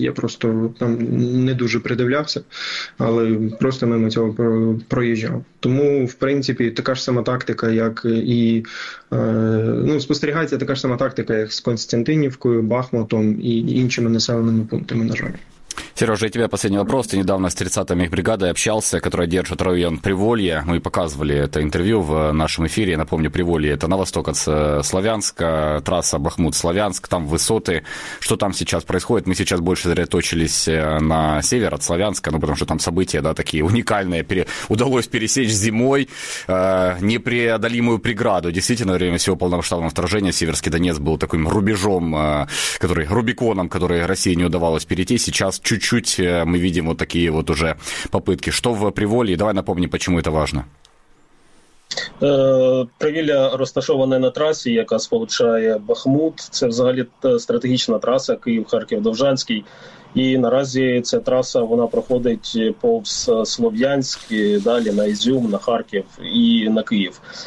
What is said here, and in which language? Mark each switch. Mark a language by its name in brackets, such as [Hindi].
[Ukrainian] Я просто там не дуже придивлявся, але просто мимо цього проїжджав. Тому, в принципі, така ж сама тактика, як і ну, спостерігається така ж сама тактика, як з Константинівкою, Бахмутом і іншими населеними пунктами, на жаль. [Russian] Сережа, и тебе последний вопрос. Ты недавно с 30-й мехбригадой общался, которая держит район Приволье. Мы показывали это интервью в нашем эфире. Я напомню, Приволье – это на восток от Славянска, трасса Бахмут-Славянск, там высоты. Что там сейчас происходит? Мы сейчас больше сосредоточились на север от Славянска, ну, потому что там события, да, такие уникальные. Удалось пересечь зимой непреодолимую преграду. Действительно, во время всего полномасштабного вторжения Северский Донец был таким рубежом, который, Рубиконом, который России не удавалось перейти. Сейчас чуть-чуть мы видим вот такие вот уже попытки. Что в Приволье? Давай напомним, почему это важно. [Ukrainian] Привілля розташоване на трасі, яка сполучає Бахмут. Це взагалі стратегічна траса Київ-Харків-Довжанський. І наразі ця траса, вона проходить повз Слов'янськ, далі на Ізюм, на Харків і на Київ.